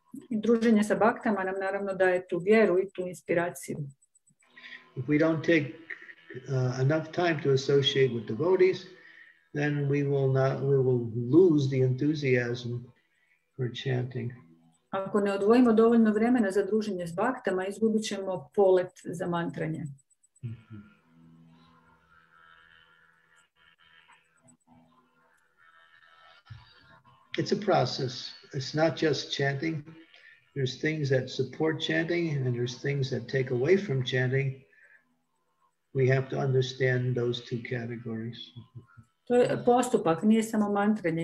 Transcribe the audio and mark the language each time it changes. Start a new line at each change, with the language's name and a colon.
Croatian: I druženje sa baktama nam naravno daje tu vjeru I tu inspiraciju.
English: If we don't take enough time to associate with devotees, then we will lose the enthusiasm for chanting.
Croatian: Ako ne odvojimo dovoljno vremena za druženje s bhaktama, izgubit ćemo polet za mantranje.
English: It's a process. It's not just chanting. There's things that support chanting and there's things that take away from chanting. We have to understand those two categories.
Croatian: To je postupak, nije samo mantranje.